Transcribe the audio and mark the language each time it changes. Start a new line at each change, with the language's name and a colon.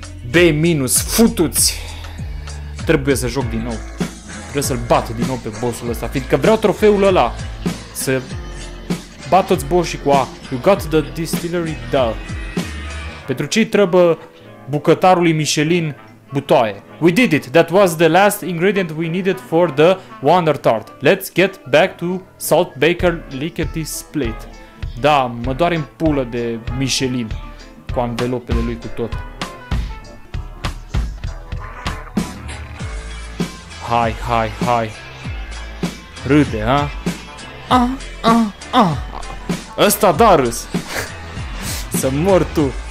Romanian: B minus, futuți! Trebuie să joc din nou. Trebuie să-l bat din nou pe bossul ăsta, fiindcă vreau trofeul ăla. Să bat toți bossii cu A.
English: You got the distillery?
Romanian: Da. Pentru ce-i trebă bucătarului Michelin butoaie?
English: We did it. That was the last ingredient we needed for the Wonder Tart. Let's get back to Salt Baker Lickety Split.
Romanian: Da, mă doare în pulă de Michelin cu anvelopele lui cu tot. Hai, hai, hai. Râde, a? A, a, a. Ăsta da râs. Să mor tu.